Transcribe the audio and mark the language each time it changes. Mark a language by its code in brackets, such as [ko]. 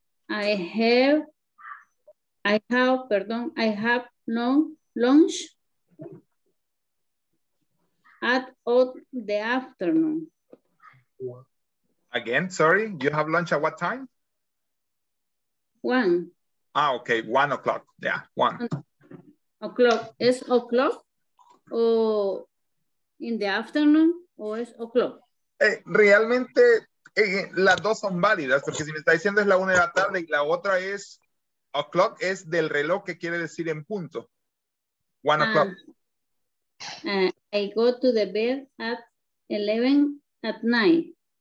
[en] I have no lunch at all the afternoon. Again, sorry, you have lunch at what time? 1. Ah, okay, 1 o'clock. Yeah, 1. O'clock. Is o'clock or in the afternoon or is o'clock? [es] Realmente las dos son válidas, porque si me está diciendo es la 1 de la tarde y la otra es. O'clock es del reloj que quiere decir en punto. [en] 1 o'clock. I go to the bed at 11 at night.